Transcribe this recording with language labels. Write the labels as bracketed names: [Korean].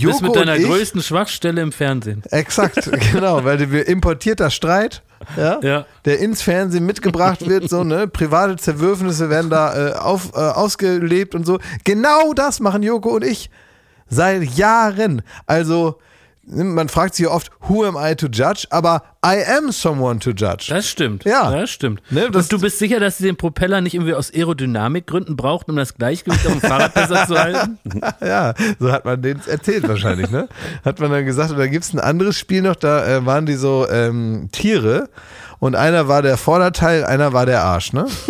[German] Du bist mit deiner größten Schwachstelle im Fernsehen. Exakt, genau, weil wir importierter Streit, ja, der ins Fernsehen mitgebracht wird, so, ne, private Zerwürfnisse werden da ausgelebt und so. Genau das machen Joko und ich seit Jahren. Also man fragt sich ja oft, [English] who am I to judge? [German] Aber [English] I am someone to judge. [German] Das stimmt. Ja. Das stimmt. Ne, das und du bist sicher, dass sie den Propeller nicht irgendwie aus Aerodynamikgründen braucht, um das Gleichgewicht auf dem Fahrrad besser zu halten? Ja, so hat man denen erzählt wahrscheinlich, ne? Hat man dann gesagt, da gibt's ein anderes Spiel noch, da waren die so Tiere und einer war der Vorderteil, einer war der Arsch, ne?